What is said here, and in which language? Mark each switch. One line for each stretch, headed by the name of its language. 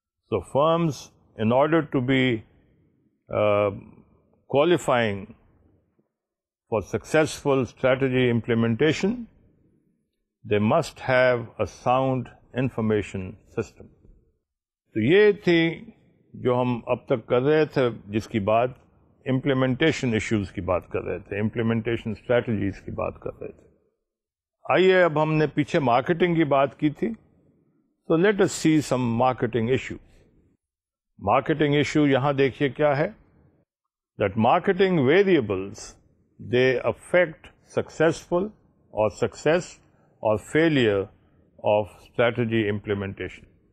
English: So firms in order to be qualifying for successful strategy implementation, they must have a sound information system.
Urdu: تو یہ تھی جو ہم اب تک کر رہے تھے، جس کی بات implementation issues کی بات کر رہے تھے، implementation strategies کی بات کر رہے تھے. آئیے اب ہم نے پیچھے marketing کی بات کی تھی،
English: so let us see some marketing issues. Marketing issue
Urdu: یہاں دیکھیے کیا ہے،
English: that marketing variables they affect successful or success or failure of strategy implementation.